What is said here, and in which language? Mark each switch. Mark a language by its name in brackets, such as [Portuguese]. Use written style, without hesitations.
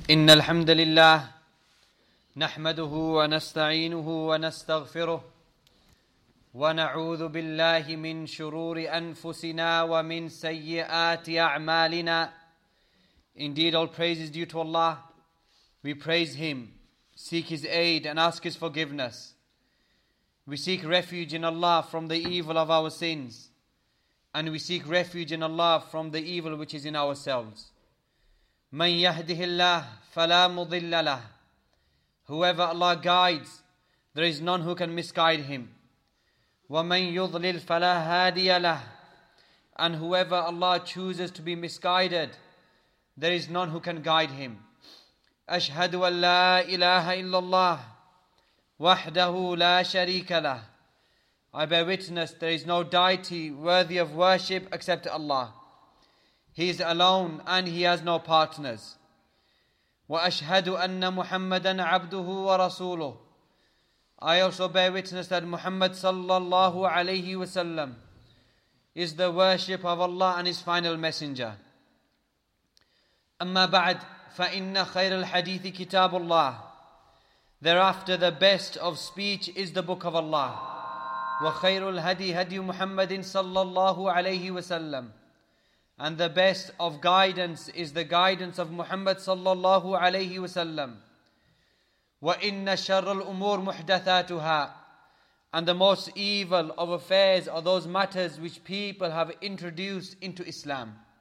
[Arabic] إن الحمد لله نحمده ونستعينه ونستغفره ونعوذ بالله من شرور أنفسنا ومن سيئات أعمالنا. [English] Indeed, all praise is due to Allah. We praise Him, seek His aid and ask His forgiveness. We seek refuge in Allah from the evil of our sins, and we seek refuge in Allah from the evil which is in ourselves. [Arabic] من يهده الله فلا مضل له. [English] Whoever Allah guides, there is none who can misguide him. [Arabic] ومن يضلل فلا هادي له. [English] And whoever Allah chooses to be misguided, there is none who can guide him. [Arabic] أشهد أن لا إله إلا الله وحده لا شريك له. [English] I bear witness there is no deity worthy of worship except Allah. He is alone and he has no partners. [Arabic] وأشهد أن محمدا عبده ورسوله. [English] I also bear witness that Muhammad صلى الله عليه وسلم is the worship of Allah and his final messenger. [Arabic] أما بعد فإن خير الحديث كتاب الله. [English] Thereafter, the best of speech is the book of Allah. [Arabic] وخير الهدي هدي محمد صلى الله عليه وسلم. [English] And the best of guidance is the guidance of Muhammad صلى الله عليه وسلم. [Arabic] وإن شر الأمور محدثاتها. [English] And the most evil of affairs are those matters which people have introduced into Islam.